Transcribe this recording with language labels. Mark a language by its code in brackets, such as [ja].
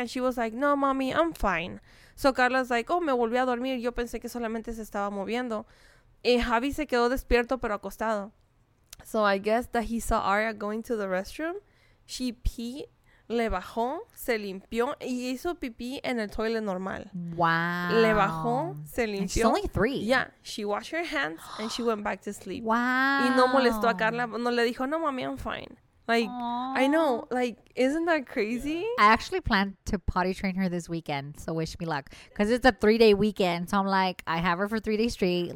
[en] And she was like, no, mommy, I'm fine. So Carla's like, oh, [es] me volví a dormir. Yo pensé que solamente se estaba moviendo. Y Javi se quedó despierto, pero acostado. [en] So I guess that he saw Aria going to the restroom. [es] She peed, le bajó, se limpió y hizo pipí en el toilet normal. [en] Wow. [es] Le bajó, se limpió. [en] And she's only three. Yeah. She washed her hands and she went back to sleep. Wow. [es] Y no molestó a Carla. No le dijo, no, mami, [en] I'm fine. Like, aww. I know. Like, isn't that crazy? Yeah. I actually plan to potty train her this weekend. So wish me luck. Because it's a 3-day weekend. So I'm like, I have her for 3 days straight.